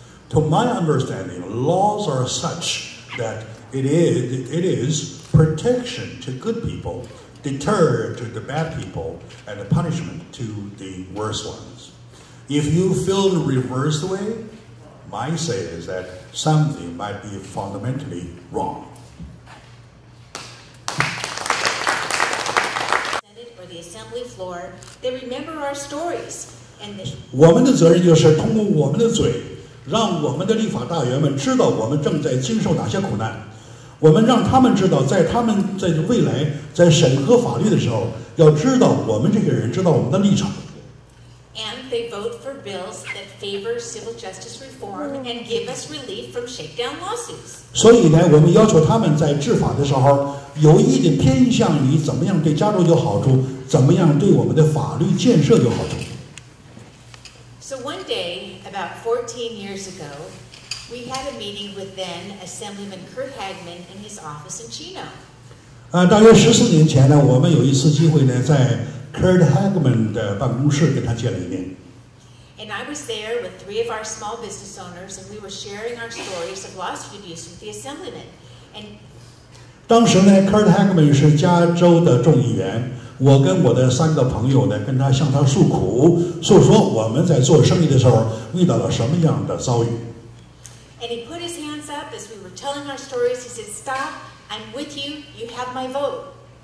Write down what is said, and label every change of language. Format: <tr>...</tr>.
<en>To my understanding, laws are such that it is protection to good people, deter to the bad people, and punishment to the worst ones. If you feel the reverse way, my say is that something might be fundamentally wrong. ...or the assembly floor, they remember our stories.</en> <zh>我们的责任就是通过我们的嘴, 让我们的立法大员们知道我们正在经受哪些苦难。我们让他们知道在他们在未来, 在审核法律的时候, 要知道我们这些人知道我们的立场。</zh> <en>And they vote for bills that favor civil justice reform and give us relief from shakedown lawsuits.</en> <zh>所以呢, 我们要求他们在治法的时候, 有意地偏向于怎么样对加州有好处, 怎么样对我们的法律建设有好处。</zh> <en>So one day, about 14 years ago, we had a meeting with then Assemblyman Kurt Hagman in his office in Chino.</en> <zh>大约14年前呢, 我们有一次机会呢, 在 Kurt Hagman的办公室跟他见了一面。</zh> <en>And I was there with three of our small business owners, and we were sharing our stories of lawsuit abuse with the Assemblyman. And</en> <zh>当时呢, Kurt Hagman是加州的众议员, 我跟我的三个朋友呢跟他向他诉苦, 诉说我们在做生意的时候遇到了什么样的遭遇。</zh> <en>And he put his hands up as we were telling our stories. He said, "Stop, I'm with you, you have my vote."</en>